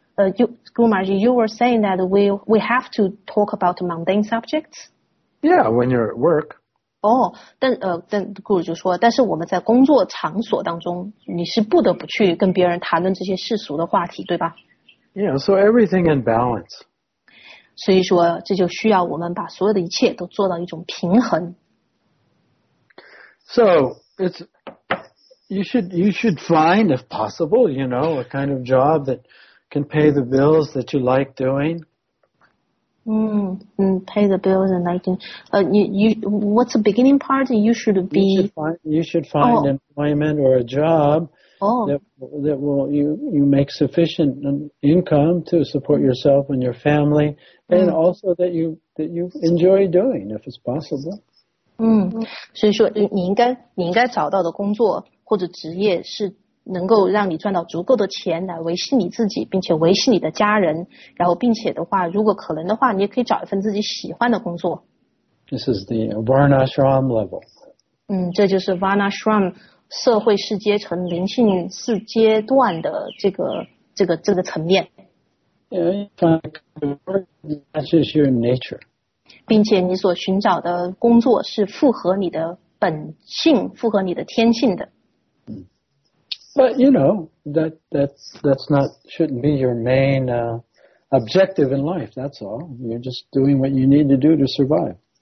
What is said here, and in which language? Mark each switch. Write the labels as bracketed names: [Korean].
[English] You were saying that we have to talk about mundane subjects. Yeah, when you're at work. [Chinese] 但顾主就说，但是我们在工作场所当中，你是不得不去跟别人谈论这些世俗的话题，对吧 [English] ？Yeah, so everything in balance. [Chinese] 所以说，这就需要我们把所有的一切都做到一种平衡。 [English] So it's you should find, if possible, you know, a kind of job that can pay the bills that you like doing. Pay the bills and like, what's the beginning part? You should be. You should find employment or a job. That will make sufficient income to support yourself and your family, and also that you enjoy doing if it's possible. [Chinese] 所以说你应该找到的工作或者职业是能够让你赚到足够的钱来维系你自己，并且维系你的家人，然后并且的话，如果可能的话，你也可以找一份自己喜欢的工作。 [English] This is the Varnashram level. [Chinese] 这就是 Varnashram 社会四阶层、灵性四阶段的这个层面。 [English] That's just your nature. [Chinese] 并且你所寻找的工作是符合你的本性、符合你的天性的。 [English] But you know that shouldn't be your main objective in life. That's all. You're just doing what you need to do to survive.